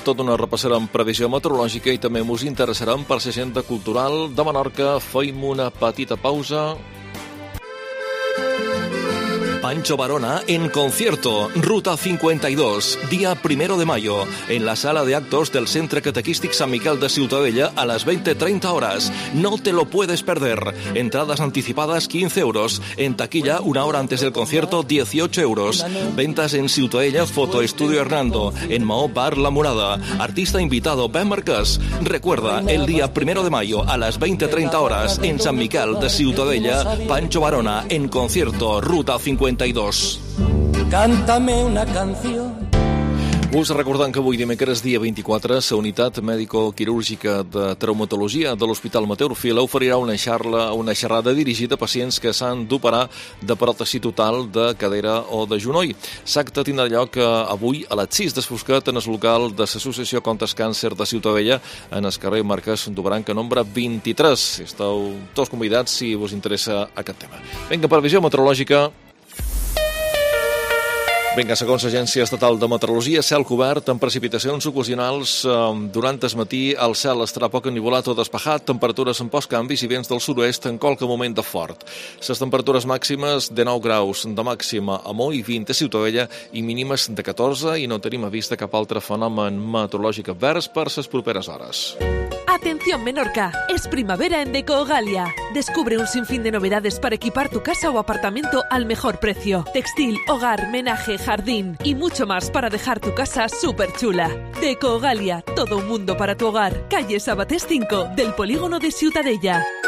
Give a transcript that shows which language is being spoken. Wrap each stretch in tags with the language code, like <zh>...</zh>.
<ca>Tot una repassada amb previsió meteorològica i també us interessaran per ser agenda cultural de Menorca. Fem una petita pausa.</ca> <es>Pancho Varona en concierto, ruta 52, día 1 de mayo, en la sala de actos del Centro Catequístico San Miguel de Ciutadella a las 20:30 horas. No te lo puedes perder. Entradas anticipadas 15 euros. En taquilla, una hora antes del concierto, 18 euros. Ventas en Ciutadella, Foto Estudio Hernando, en Mao Bar La Murada. Artista invitado, Ben Marcas. Recuerda, el día 1 de mayo a las 20:30 horas, en San Miguel de Ciutadella, Pancho Varona en concierto, ruta 52. Cántame una canción.</es> <ca>Us recordem que avui dimecres, dia 24, la unitat mèdico-quirúrgica de traumatologia de l'Hospital Mateu Orfila oferirà una xarla, una xerrada dirigida a pacients que s'han d'operar de pròtesi total de cadera o de genoll. L'acte tindrà lloc avui a les 6 d'esfoscat en el local de l'Associació Contes Càncer de Ciutadella en el carrer Marquès d'Obranca, nombre 23. Esteu tots convidats si us interessa aquest tema. Vinga, previsió meteorològica. Vinga, segons l'Agència Estatal de Meteorologia, cel cobert amb precipitacions ocasionals durant el matí. El cel estarà poc ennivolat o despejat, temperatures amb pocs canvis i vents del sud-oest en qualque moment de fort. Les temperatures màximes de 9 graus de màxima a Mó i 20 a Ciutadella i mínimes de 14, i no tenim a vista cap altre fenomen meteorològic advers per les properes hores.</ca> <es>Atención Menorca, es primavera en Decogalia. Descubre un sinfín de novedades para equipar tu casa o apartamento al mejor precio. Textil, hogar, menaje, jardín y mucho más para dejar tu casa súper chula. Decogalia, todo un mundo para tu hogar. Calle Sabatés 5, del polígono de Ciutadella.</es>